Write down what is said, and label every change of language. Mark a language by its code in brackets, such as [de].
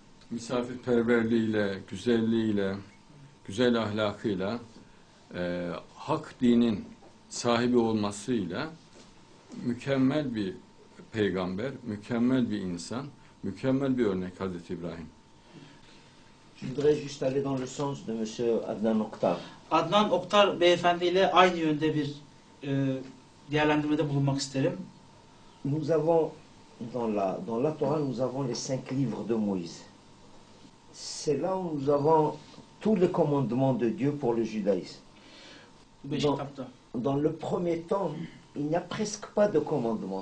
[tr] Misafirperverliğiyle, güzelliğiyle, güzel ahlakıyla, hak dinin sahibi olmasıyla mükemmel bir peygamber, mükemmel bir insan, mükemmel bir örnek Hazreti İbrahim. [fr] Je voudrais juste aller dans le sens de monsieur Adnan Oktar. [tr] Adnan Oktar beyefendiyle aynı yönde bir değerlendirmede bulunmak isterim. [fr] Nous avons dans la Torah nous avons les 5 livres de Moïse. C'est là où nous avons tous les commandements de Dieu pour le judaïsme. Dans le premier temps, il n'y a presque pas de commandements.